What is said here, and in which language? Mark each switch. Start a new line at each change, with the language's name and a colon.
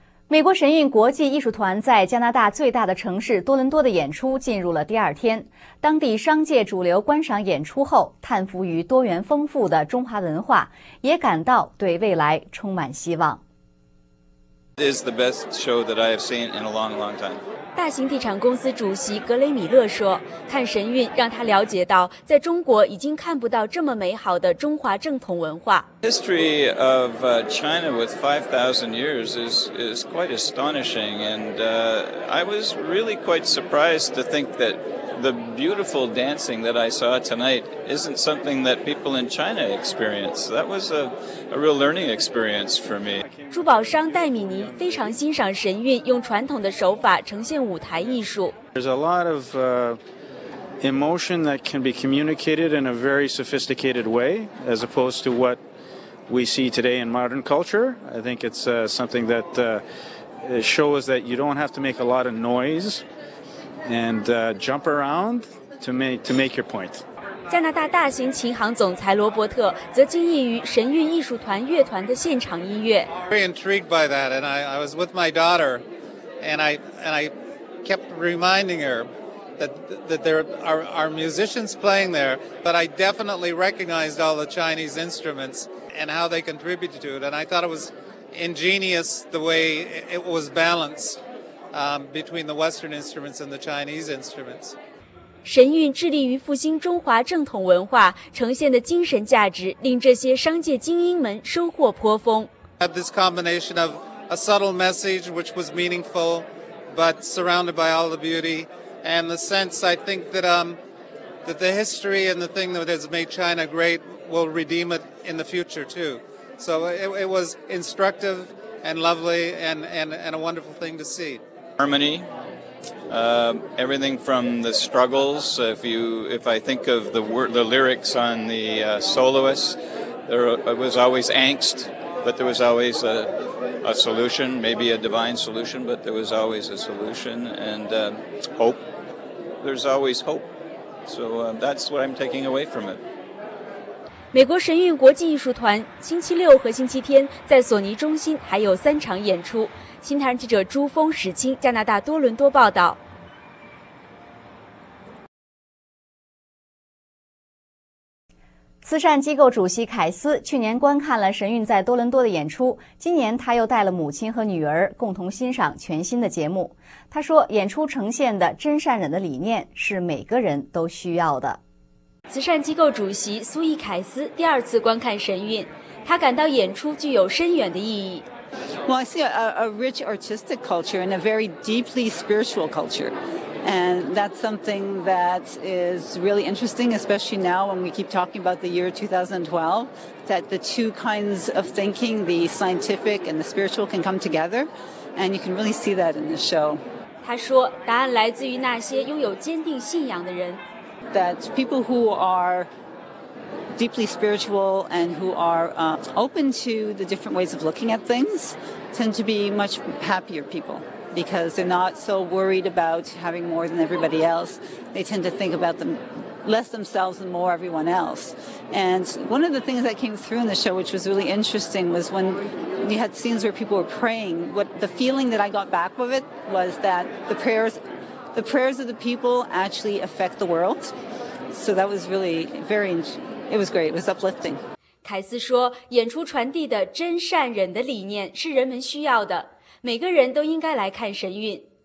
Chinese: 美国神韵国际艺术团在加拿大最大的城市多伦多的演出进入了第二天。当地商界主流观赏演出后，叹服于多元丰富的中华文化，也感到对未来充满希望。
English: It is the best show that I have seen in a long, long time.
Chinese: 大型地产公司主席格雷米勒说，看神韵让他了解到，在中国已经看不到这么美好的中华正统文化。
English: History of China with 5,000 years is quite astonishing, and I was really quite surprised to think that the beautiful dancing that I saw tonight isn't something that people in China experience. That was a real learning experience for me.
Chinese: 珠宝商戴米尼非常欣赏神韵用传统的手法呈现舞台艺术。
English: There's a lot of emotion that can be communicated in a very sophisticated way, as opposed to what we see today in modern culture. I think it's something that shows that you don't have to make a lot of noise and jump around to make your point.
Chinese: 加拿大大型琴行总裁罗伯特则惊异于神韵艺术团乐团的现场音乐。
English: Very intrigued by that, and I was with my daughter, and I kept reminding her that there are musicians playing there, but I definitely recognized all the Chinese instruments and how they contributed to it, and I thought it was ingenious the way it was balanced. Between the Western instruments and the Chinese instruments.
Chinese: 神韵致力于复兴中华正统文化，呈现的精神价值令这些商界精英们收获颇丰。
English: Had this combination of a subtle message which was meaningful, but surrounded by all the beauty and the sense, I think that that the history and the thing that has made China great will redeem it in the future too. So it was instructive and lovely and a wonderful thing to see. Harmony, everything from the struggles. If I think of the lyrics on the soloists, there was always angst, but there was always a solution, maybe a divine solution, but there was always a solution and hope. There's always hope. So that's what I'm taking away from it.
Chinese: 美国神韵国际艺术团星期六和星期天在索尼中心还有三场演出。新唐人记者朱峰、史清，加拿大多伦多报道。慈善机构主席凯斯去年观看了神韵在多伦多的演出，今年他又带了母亲和女儿共同欣赏全新的节目。他说，演出呈现的真善忍的理念是每个人都需要的。慈善机构主席苏伊凯斯第二次观看神韵，他感到演出具有深远的意义。
English: Well, I see a rich artistic culture and a very deeply spiritual culture. And that's something that is really interesting, especially now when we keep talking about the year 2012, that the two kinds of thinking, the scientific and the spiritual, can come together. And you can really see that in the show.
Chinese: 他说，答案来自于那些拥有坚定信仰的人。
English: That people who are deeply spiritual and who are open to the different ways of looking at things tend to be much happier people because they're not so worried about having more than everybody else. They tend to think about them less themselves and more everyone else. And one of the things that came through in the show, which was really interesting, was when we had scenes where people were praying, what the feeling that I got back of it was that the prayers of the people actually affect the world. So that was really very interesting. It was great. It was uplifting.
Chinese: 凯斯说，演出传递的真善忍的理念是人们需要的，每个人都应该来看神韵。